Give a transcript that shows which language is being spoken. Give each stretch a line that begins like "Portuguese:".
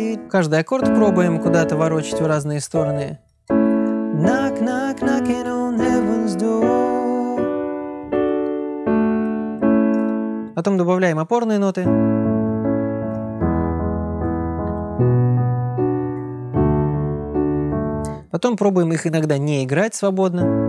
Russian: Каждый аккорд пробуем куда-то ворочить в разные стороны.
English: Knock, knock, knocking on heaven's door.
Russian: Потом добавляем опорные ноты. Потом пробуем их иногда не играть свободно.